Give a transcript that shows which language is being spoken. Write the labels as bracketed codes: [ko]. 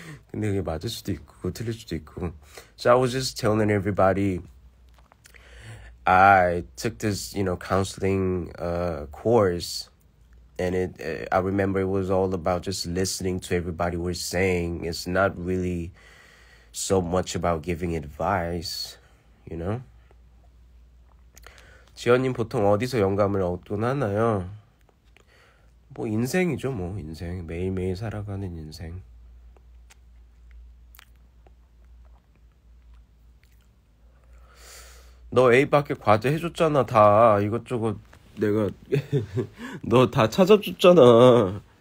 [ko] 근데 그게 맞을 수도 있고 틀릴 수도 있고. [en] So I was just telling everybody I took this, you know, counseling course, and I remember it was all about just listening to everybody was saying. It's not really so much about giving advice, you know. [ko] 지연님 보통 어디서 영감을 얻곤 하나요? 뭐 인생이죠, 뭐 인생 매일매일 살아가는 인생. 너 A밖에 과제 해줬잖아, 다. 이것저것 내가 너 다 찾아줬잖아.